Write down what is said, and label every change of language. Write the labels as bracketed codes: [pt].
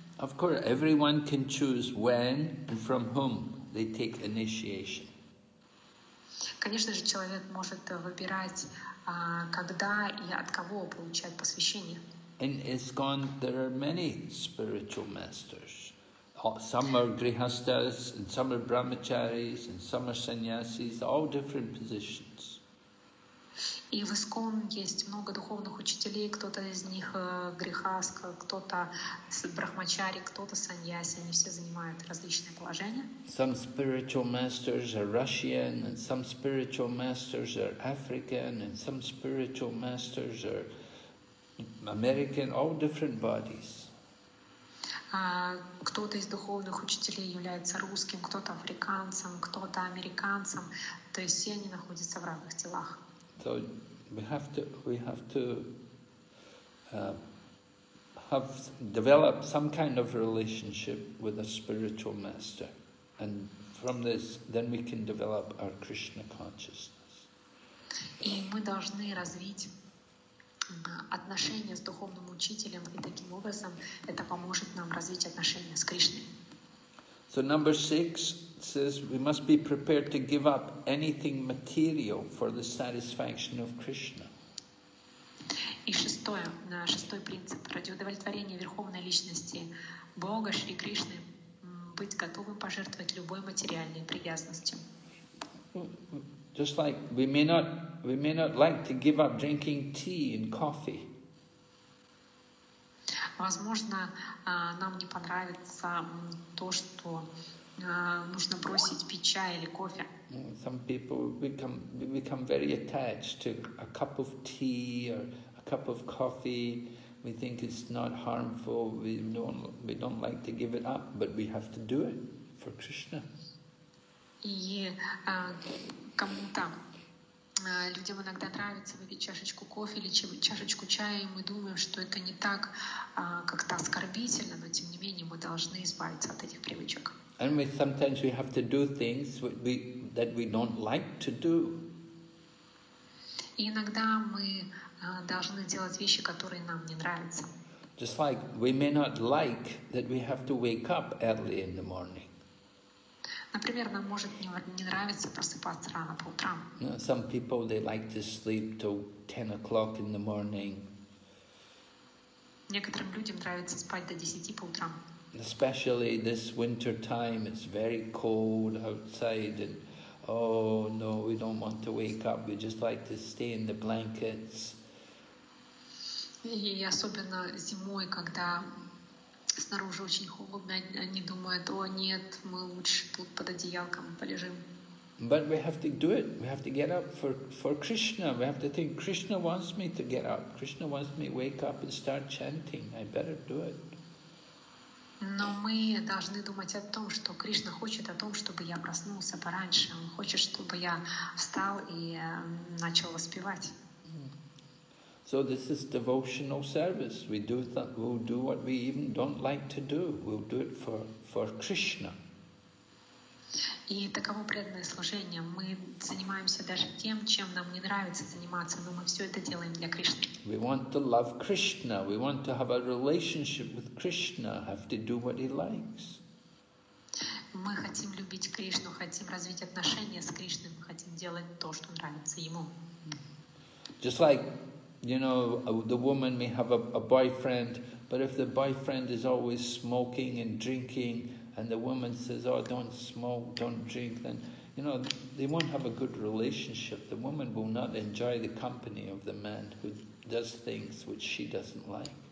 [en] Of course, everyone can choose when and from whom they take initiation. [ru] Конечно же, человек может выбирать, когда и от кого получать посвящение. [en] In ISKCON, there are many spiritual masters. Some are grihasthas, and some are brahmacharis, and some are sannyasis, all different positions. [ru] И в ИСКОН есть много духовных учителей, кто-то из них грихаст, кто-то брахмачари, кто-то саньяси, они все занимают различные положения. [en] Some spiritual masters are Russian, and some spiritual masters are African, and some spiritual masters are American, all different bodies. [ru] Кто-то из духовных учителей является русским, кто-то африканцем, кто-то американцем, то есть все они находятся в разных телах. [en] So we have to have developed some kind of relationship with a spiritual master, and from this, then we can develop our Krishna consciousness. [ru] И мы должны развить отношения с духовным учителем, и таким образом это поможет нам развить отношения с Кришной. [en] So number six says we must be prepared to give up anything material for the satisfaction of Krishna. [ru] И шестое, шестой принцип, ради удовлетворения верховной личности Бога Шри Кришны, быть готовым пожертвовать любой материальной привязанностью. [en] Just like we may not like to give up drinking tea and coffee. [ru] Возможно, нам не понравится то, что нужно бросить пить чай или кофе. [en] Some people become very attached to a cup of tea or a cup of coffee. We think it's not harmful. We don't like to give it up, but we have to do it for Krishna. [ru] И кому-то людям иногда нравится выпить чашечку кофе или чашечку чая, и мы думаем, что это не так как-то оскорбительно, но тем не менее мы должны избавиться от этих привычек. [en] And we sometimes we have to do things that we don't like to do. [ru] И иногда мы должны делать вещи, которые нам не нравятся. [en] Just like we may not like that we have to wake up early in the morning. [ru] Например, нам может не нравиться просыпаться рано по утрам. [en] Some people, they like to sleep till 10 o'clock in the morning. [ru] Некоторым людям нравится спать до 10 по утрам. [en] Especially this winter time, it's very cold outside, and oh no, we don't want to wake up, we just like to stay in the blankets. [ru] И особенно зимой, когда снаружи очень холодно, они думают, о нет, мы лучше тут под одеялком полежим. [en] But we have to do it. We have to get up for Krishna. We have to think, Krishna wants me to get up. Krishna wants me to wake up and start chanting. I better do it. [ru] Но мы должны думать о том, что Кришна хочет о том, чтобы я проснулся пораньше. Он хочет, чтобы я встал и начал воспевать. [en] So this is devotional service. We do that. We'll do what we even don't like to do. We'll do it for Krishna. [ru] И таково преданное служение. Мы занимаемся даже тем, чем нам не нравится заниматься, но мы все это делаем для Кришны. [en] We want to love Krishna. We want to have a relationship with Krishna. Have to do what he likes. [ru] Мы хотим любить Кришну, хотим развить отношения с Кришной, мы хотим делать то, что нравится ему. [en] Just like, you know, the woman may have a boyfriend, but if the boyfriend is always smoking and drinking, and the woman says, oh, don't smoke, don't drink, then, you know, they won't have a good relationship. The woman will not enjoy the company of the man who does things which she doesn't like.